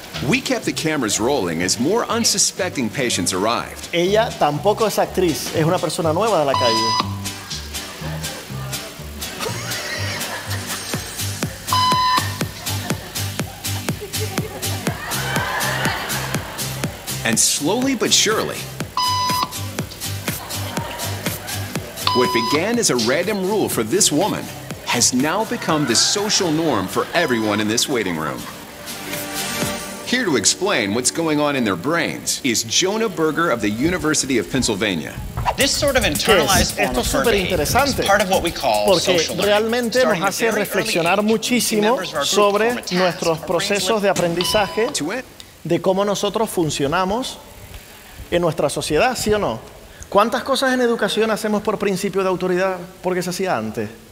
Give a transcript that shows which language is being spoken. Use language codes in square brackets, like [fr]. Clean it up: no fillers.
[en] We kept the cameras rolling as more unsuspecting patients arrived. [es] Ella tampoco es actriz, es una persona nueva de la calle. [en] And slowly but surely, what began as a random rule for this woman has now become the social norm for everyone in this waiting room. Here to explain what's going on in their brains is Jonah Berger of the University of Pennsylvania. This sort of internalized form of behavior is part of what we call social learning. [es] Nos hace reflexionar muchísimo sobre nuestros procesos de aprendizaje, de cómo nosotros funcionamos en nuestra sociedad, ¿sí o no? ¿Cuántas cosas en educación hacemos por principio de autoridad porque se hacía antes?